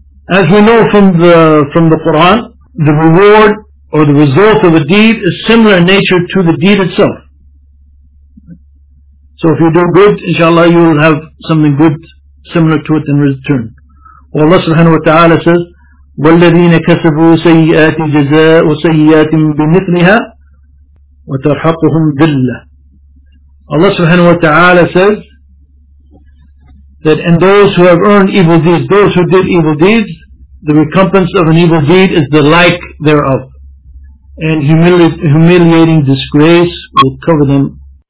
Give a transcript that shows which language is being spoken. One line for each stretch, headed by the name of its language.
English: As we know from the Quran, the reward or the result of a deed is similar in nature to the deed itself. So if you do good, inshallah, you will have something good similar to it in return. Well, Allah subhanahu wa ta'ala says,
Arabic: وَالَّذِينَ كَسَبُوا سَيِّئَاتِ جَزَاءُ سَيِّئَاتٍ بِمِثْلِهَا وَتَرْحَقُهُمْ ذِلَّةٌ.
English: Allah subhanahu wa ta'ala says that in those who have earned evil deeds, those who did evil deeds, the recompense of an evil deed is the like thereof. And humiliating disgrace will cover them.